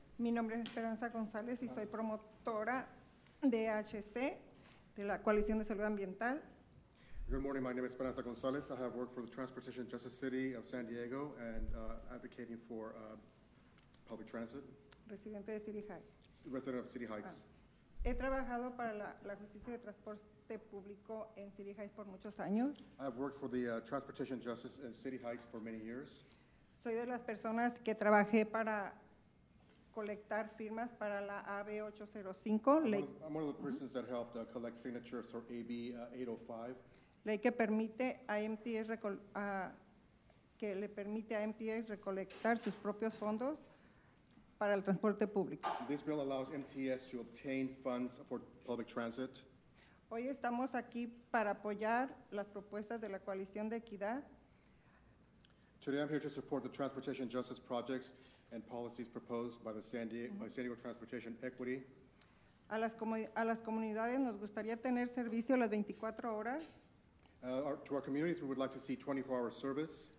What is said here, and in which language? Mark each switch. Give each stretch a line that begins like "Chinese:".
Spanish: Mi nombre es Esperanza González y soy promotora de HC, de la Coalición de Salud Ambiental.
English: Good morning. My name is Esperanza González. I have worked for the Transportation Justice City of San Diego and advocating for public transit.
Spanish: Residente de City Heights.
English: Resident of City Heights.
Spanish: He trabajado para la justicia de transporte público en City Heights por muchos años.
English: I have worked for the Transportation Justice in City Heights for many years.
Spanish: Soy de las personas que trabajé para colectar firmas para la AB 805.
English: I'm one of the persons that helped collect signatures for AB 805.
Spanish: Ley que permite a MTS que le permite a MTS recolectar sus propios fondos para el transporte público.
English: This bill allows MTS to obtain funds for public transit.
Spanish: Hoy estamos aquí para apoyar las propuestas de la coalición de equidad.
English: Today I'm here to support the transportation justice projects and policies proposed by the San Diego Transportation Equity.
Spanish: A las comunidades nos gustaría tener servicio las 24 horas.
English: To our communities, we would like to see 24-hour service.